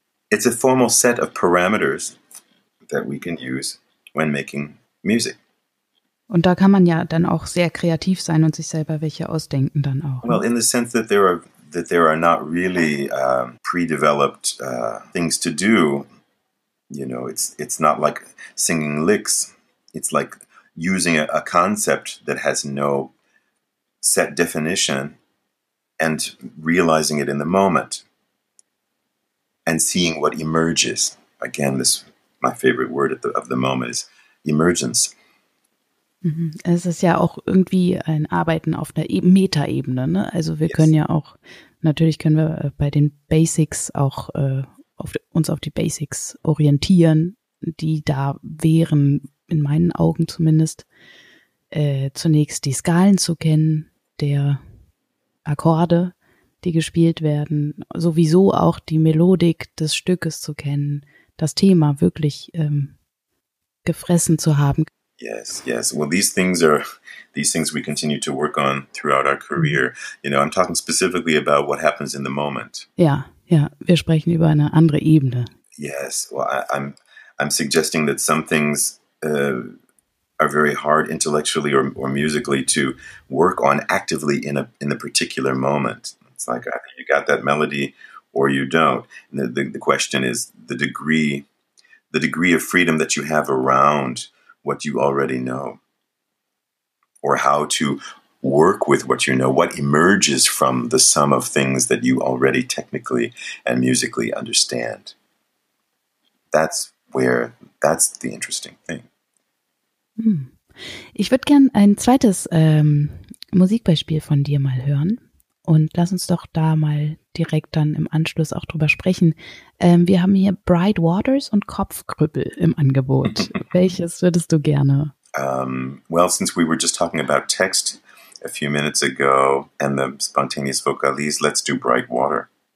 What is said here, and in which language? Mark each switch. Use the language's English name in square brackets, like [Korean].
[English] It's a formal set of parameters that we can use when making music. [German] Und da kann man ja dann auch sehr kreativ sein und sich selber welche ausdenken dann auch. [English] Well, in the sense that there are not really pre-developed things to do, you know, it's not like singing licks. It's like using a concept that has no set definition and realizing it in the moment. And seeing what emerges. Again, this my favorite word of the moment is emergence. [German] Es ist ja auch irgendwie ein Arbeiten auf einer Metaebene, ne? Also wir können ja auch, natürlich können wir bei den Basics auch uns auf die Basics orientieren, die da wären, in meinen Augen zumindest, zunächst die Skalen zu kennen, der Akkorde, die gespielt werden, sowieso auch die Melodik des Stückes zu kennen, das Thema wirklich gefressen zu haben. [English] Yes. Well, these things we continue to work on throughout our career. You know, I'm talking specifically about what happens in the moment. [German] Ja, wir sprechen über eine andere Ebene. [English] Yes, well, I'm suggesting that some things are very hard intellectually or musically to work on actively in the particular moment. It's like either you got that melody or you don't. And the question is the degree of freedom that you have around what you already know, or how to work with what you know, what emerges from the sum of things that you already technically and musically understand. That's the interesting thing. [German] Ich würde gern ein zweites Musikbeispiel von dir mal hören. Und lass uns doch da mal direkt dann im Anschluss auch drüber sprechen. Wir haben hier Bright Waters und Kopfkrüppel im Angebot. Welches würdest du gerne? [English] Well, since we were just talking about text a few minutes ago and the spontaneous vocalise, let's do Bright Water.